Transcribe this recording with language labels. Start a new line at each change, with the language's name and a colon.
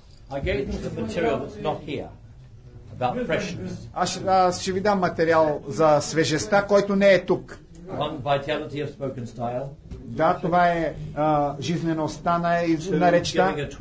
English: I gave them the material that's not here. About freshness.
Bulgarian: Аз ще ви дам материал за свежестта, който не е тук.
English: One, vitality of spoken style.
Bulgarian: Да, това е жизнеността на речта.